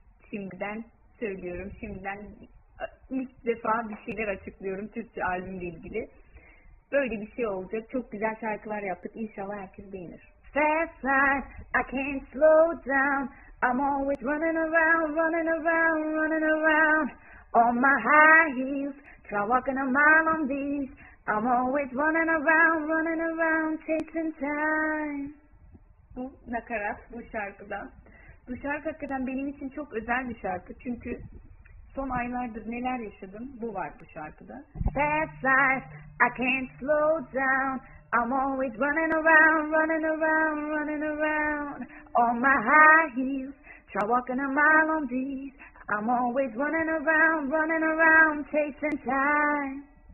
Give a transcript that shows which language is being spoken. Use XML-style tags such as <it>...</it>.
<tr>Şimdiden söylüyorum, şimdiden ilk defa bir şeyler açıklıyorum Türkçe albümle ilgili. Böyle bir şey olacak. Çok güzel şarkılar yaptık. İnşallah herkes beğenir.</tr> <en>Fast life, I can't slow down. I'm always running around, running around, running around. On my high heels, try walking a mile on these. I'm always running around, running around, chasing time.</en> <tr>Bu nakarat bu şarkıdan. Bu şarkı hakikaten benim için çok özel bir şarkı. Çünkü son aylardır neler yaşadım, bu var bu şarkıda.</tr> <en>Fast life, I can't slow down. I'm always running around, running around, running around. On my high heels, try walking a mile on these. I'm always running around, running around, chasing time.</en>